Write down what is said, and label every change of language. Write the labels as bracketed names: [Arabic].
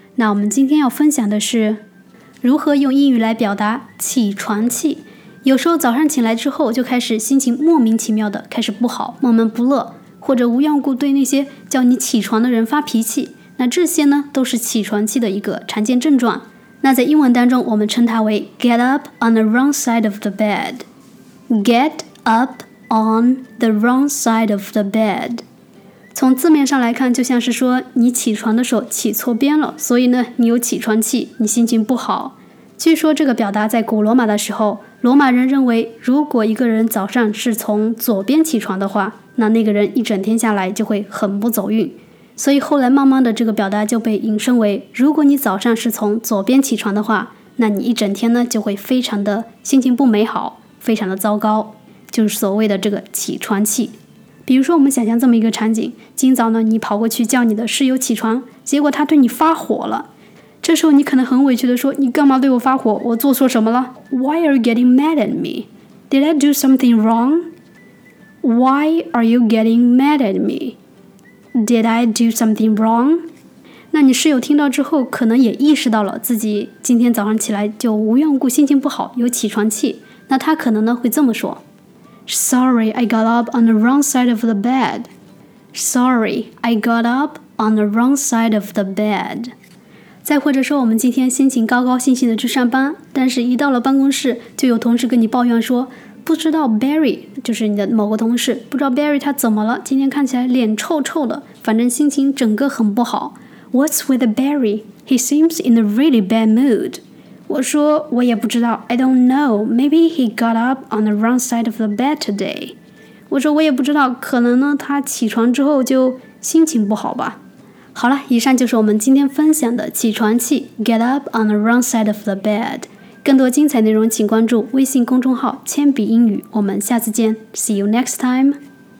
[Chinese] 那我们今天要分享的是如何用英语来表达起床气。有时候早上醒来之后就开始心情莫名其妙的开始不好，闷闷不乐，或者无缘无故对那些叫你起床的人发脾气，那这些呢都是起床气的一个常见症状。那在英文当中我们称它为 get up on the wrong side of the bed。 get up on the wrong side of the bed 从字面上来看就像是说你起床的时候起错边了，所以呢你有起床气，你心情不好。据说这个表达在古罗马的时候，罗马人认为如果一个人早上是从左边起床的话，那个人一整天下来就会很不走运。所以后来慢慢的这个表达就被引申为，如果你早上是从左边起床的话，那你一整天呢就会非常的心情不美好，非常的糟糕，就是所谓的这个起床气。比如说我们想象这么一个场景，今早呢你跑过去叫你的室友起床，结果他对你发火了。这时候你可能很委屈的说，你干嘛对我发火，我做错什么了？ [English] Why are you getting mad at me? Did I do something wrong? Why are you getting mad at me? Did I do something wrong? [Chinese] 那你室友听到之后可能也意识到了自己今天早上起来就无缘无故心情不好，有起床气。那他可能呢会这么说。 [English] Sorry, I got up on the wrong side of the bed. Sorry, I got up on the wrong side of the bed. [Chinese] 再或者说我们今天心情高高兴兴的去上班，但是一到了办公室就有同事跟你抱怨说，不知道 Barry 就是你的某个同事，不知道 Barry 他怎么了，今天看起来脸臭臭的，反正心情整个很不好。 [English] What's with Barry? He seems in a really bad mood. [Chinese] 我说我也不知道， I don't know. [English] Maybe he got up on the wrong side of the bed today. [Chinese] 我说我也不知道，可能呢他起床之后就心情不好吧。好了，以上就是我们今天分享的起床气， Get up on the wrong side of the bed。更多精彩内容请关注微信公众号铅笔英语，我们下次见， See you next time!